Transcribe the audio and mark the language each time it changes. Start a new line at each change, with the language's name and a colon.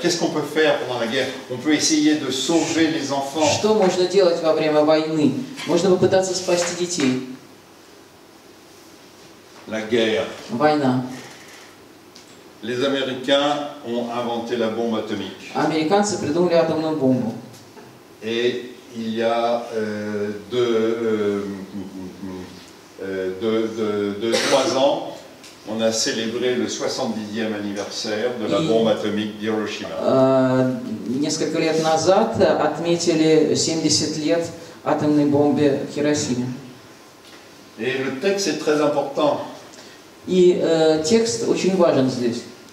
French: Qu'est-ce qu'on peut faire pendant la guerre? On peut essayer de sauver les enfants.
Russian: Что можно делать во время войны? Можно попытаться спасти детей.
French: La guerre.
Russian: Война.
French: Les Américains ont inventé la bombe atomique.
Russian: Американцы придумали атомную бомбу.
French: Et il y a trois ans, on a célébré le 70e anniversaire de la bombe atomique d'Hiroshima.
Russian: Несколько лет назад отметили 70 лет атомной бомбы Хиросимы.
French: Et le texte est très important.
Russian: И текст очень важен здесь.